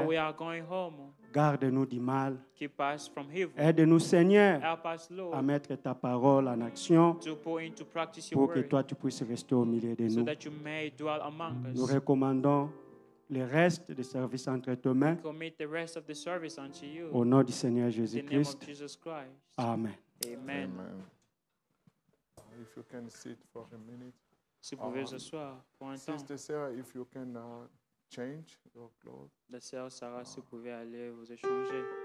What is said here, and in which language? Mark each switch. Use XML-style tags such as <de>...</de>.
<en>while we are going home.</en> <fr>Garde-nous du mal.</fr> <en>Keep us from evil.</en> <fr>Aide-nous, Seigneur,</fr> <en>help us, Lord,</en> <fr>à mettre ta parole en action</fr> <en>to put into practice your</en> <fr>pour</fr> <en>word,</en> <fr>que toi, tu puisses rester au milieu de</fr> <en>so</en> <fr>nous.</fr> <en>That you may dwell among us.</en> <fr>Nous recommandons le reste des services entre tes mains.</fr> <en>We commit the rest of the service unto you.</en> <fr>Au nom du Seigneur Jésus-Christ.</fr> <en>In the name of Jesus Christ. Amen. Amen. Amen. If you can sit for a minute.</en> <fr>Si vous pouvez s'asseoir pour un temps.</fr> <en>Sister Sarah, if you can change your clothes.</en> <fr>La sœur Sarah, si vous pouvez aller vous échanger.</fr>